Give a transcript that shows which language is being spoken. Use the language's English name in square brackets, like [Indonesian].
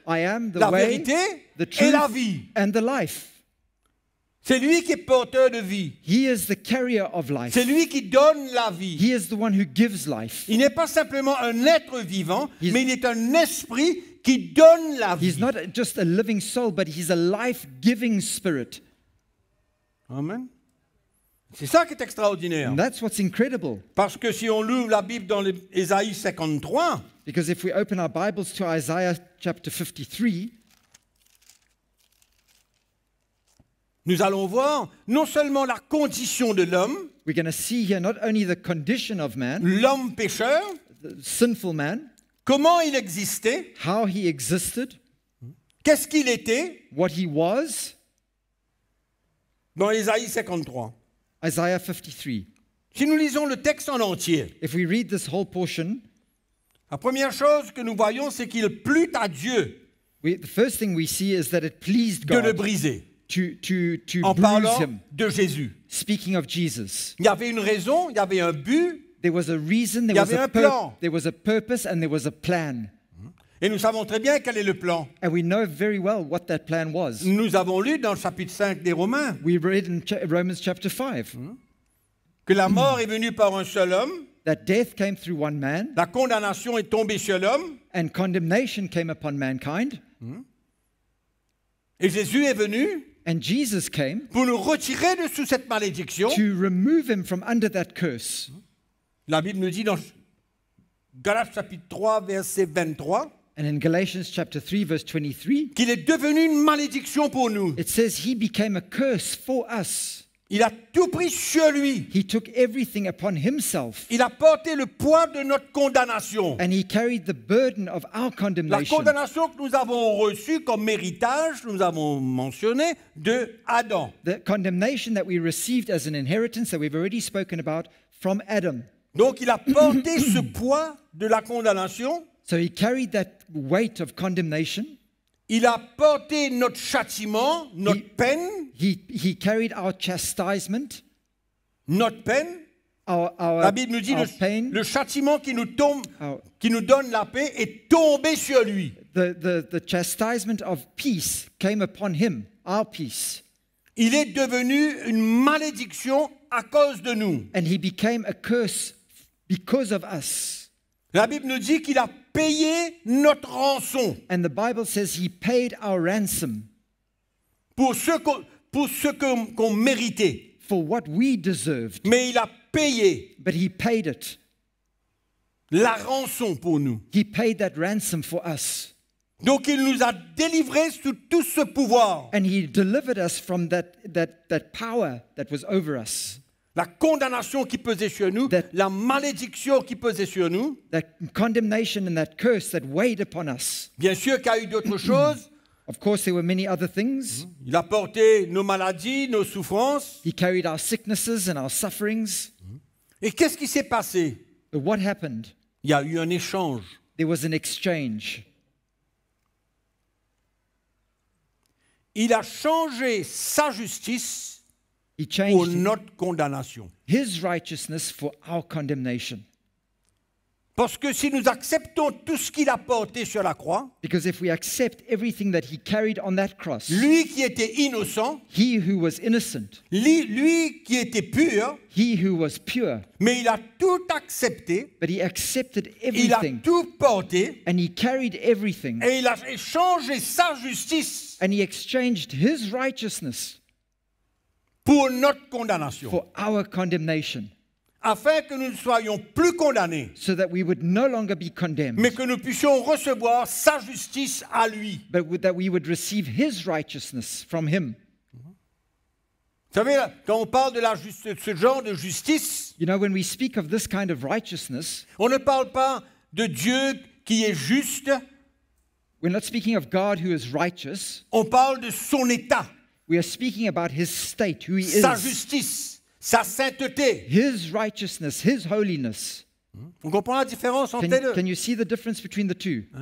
[English] I am the [French] la [English] way, [French] vérité [English] the truth, [French] et la vie. [English] And the life. [French] C'est lui qui est porteur de vie. [English] He is the carrier of life. [French] C'est lui qui donne la vie. [English] He is the one who gives life. [French] Il n'est pas simplement un être vivant, mais il est un esprit qui donne la vie. [English] He's not just a living soul, but he's a life-giving spirit. [French] Amen. C'est ça qui est extraordinaire. [English] And that's what's incredible. [French] Parce que si on ouvre la Bible dans Ésaïe 53, [English] because if we open our Bibles to Isaiah chapter 53, [French] nous allons voir non seulement la condition de l'homme, [English] we're going to see here not only the condition of man, [French] l'homme pécheur, [English] the sinful man, [French] comment il existait, [English] how he existed, [French] qu'est-ce qu'il était, [English] what he was, [French] dans Ésaïe 53. [English] Isaiah 53. [French] Si nous lisons le texte en entier, [English] if we read this whole portion, [French] la première chose que nous voyons, c'est qu'il plut à Dieu [English] the first thing we see is that it pleased God [French] de le briser. [English] To [French] en parlant [English] him, [French] de Jésus. [English] Speaking of Jesus. [French] Il y avait une raison, il y avait un but. [English] There was a reason, there [French] il y avait [English] was a [French] un plan. [English] There was a purpose and there was a plan. [French] Et nous savons très bien quel est le plan. [English] And we know very well what that plan was. [French] Nous avons lu dans le chapitre 5 des Romains. [English] We read in Romans chapter 5. [French] Que la mort est venue par un seul homme. [English] That death came through one man. [French] La condamnation est tombée sur l'homme. [English] And condemnation came upon mankind. [French] Et Jésus est venu. [English] And Jesus came [French] pour nous retirer de sous cette malédiction. [English] To remove him from under that curse. [French] La Bible nous dit dans Galates chapitre 3 verset 23. [English] And in Galatians chapter 3 verse 23. [French] Qu'il est devenu une malédiction pour nous. [English] It says he became a curse for us. [French] Il a tout pris sur lui. [English] He took everything upon himself. [French] Il a porté le poids de notre condamnation. [English] And he carried the burden of our condemnation. [French] La condamnation que nous avons reçue comme héritage, nous avons mentionné, de Adam. [English] The condemnation that we received as an inheritance that we've already spoken about from Adam. [French] Donc il a porté ce poids de la condamnation. [English] So he carried that weight of condemnation. [French] Il a porté notre châtiment, notre peine. [English] He carried our chastisement. [French] Notre peine. [English] Our, [French] la Bible nous dit [English] our [French] le châtiment qui nous tombe, qui nous donne la paix est tombé sur lui. [English] the chastisement of peace came upon him, our peace. [French] Il est devenu une malédiction à cause de nous. [English] And he became a curse because of us. [French] La Bible nous dit qu'il a payé notre rançon. [English] And the Bible says he paid our ransom. [French] Pour ce qu'on méritait. [English] For what we deserved. [French] Mais il a payé. [English] But he paid it. [French] La rançon pour nous. [English] He paid that ransom for us. [French] Donc il nous a délivrés sous tout ce pouvoir. [English] And he delivered us from that power that was over us. [French] La condamnation qui pesait sur nous, la malédiction qui pesait sur nous. [English] That condemnation and that curse that weighed upon us. [French] Bien sûr qu'il y a eu d'autres choses. [English] Of course there were many other things. [French] Il a porté nos maladies, nos souffrances. [English] He carried our sicknesses and our sufferings. [French] Et qu'est-ce qui s'est passé? [English] But what happened? [French] Il y a eu un échange. [English] There was an exchange. [French] Il a changé sa justice pour notre condamnation. [English] His righteousness for our condemnation. [French] Parce que si nous acceptons tout ce qu'il a porté sur la croix, [English] because if we accept everything that he carried on that cross, [French] lui qui était innocent, [English] he who was innocent, [French] lui qui était pur, [English] he who was pure, [French] mais il a tout accepté, [English] but he accepted everything, [French] il a tout porté, [English] and he carried everything, [French] et il a échangé sa justice, [English] and he exchanged his righteousness, [French] pour notre condamnation, [English] for our condemnation. [French] Afin que nous ne soyons plus condamnés, [English] so that we would no longer be condemned, [French] mais que nous puissions recevoir sa justice à lui. [English] But that we would receive his righteousness from him. [French] Vous savez, quand on parle de ce genre de justice, [English] you know, when we speak of this kind of righteousness, [French] on ne parle pas de Dieu qui est juste. [English] We're not speaking of God who is righteous. [French] On parle de son état. [English] We are speaking about his state, who he [French] sa [English] is. [French] Sa justice. Sa sainteté. [English] His righteousness, his holiness. [French] Vous comprenez la différence entre les deux? [English] Can you see the difference between the two?